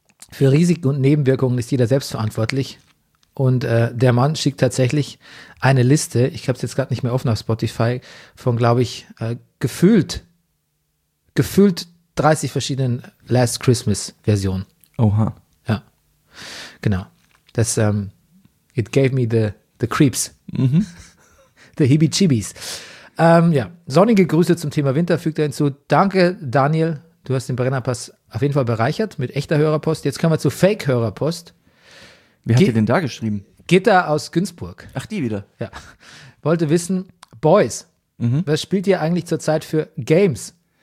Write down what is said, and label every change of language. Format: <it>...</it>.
<de>Für Risiken und Nebenwirkungen ist jeder selbst verantwortlich. Und der Mann schickt tatsächlich eine Liste, ich habe es jetzt gerade nicht mehr offen auf Spotify, von, glaube ich, gefühlt 30 verschiedenen Last Christmas-Versionen. Oha. Ja, genau. Das</de> <en>it gave me the creeps. Mhm. The heebie-jeebies.</en> <de>Ja, sonnige Grüße zum Thema Winter fügt er hinzu. Danke, Daniel, du hast den Brennerpass auf jeden Fall bereichert mit echter Hörerpost. Jetzt kommen wir zu Fake-Hörerpost. Wer hat dir denn da geschrieben? Gitta aus Günzburg. Ach, die wieder. Ja. Wollte wissen, Boys, was spielt ihr eigentlich zurzeit für Games?</de>